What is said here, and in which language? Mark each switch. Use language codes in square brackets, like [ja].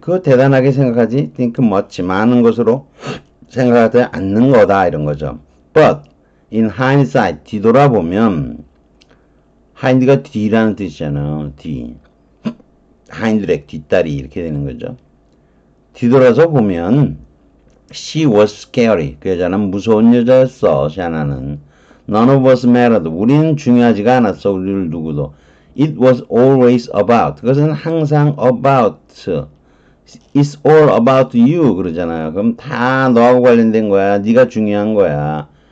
[ko] 그거 대단하게 생각하지? [en] think much. [ko] 많은 것으로 생각하지 않는 거다. 이런 거죠. [en] But, in hindsight, [ko] 뒤돌아보면, hind가 뒤라는 뜻이잖아요. 뒤. hindleg, 뒷다리. 이렇게 되는 거죠. 뒤돌아서 보면, [en] she was scary. [ko] 그 여자는 무서운 여자였어. [en] 샤나는. None of us mattered. [ko] 우리는 중요하지가 않았어. 우리를 누구도. [en] It was always about. [ko] 그것은 항상 about. [en] It's all about you. [ko] 그러잖아요. 그럼 다 너하고 관련된 거야. 네가 중요한 거야.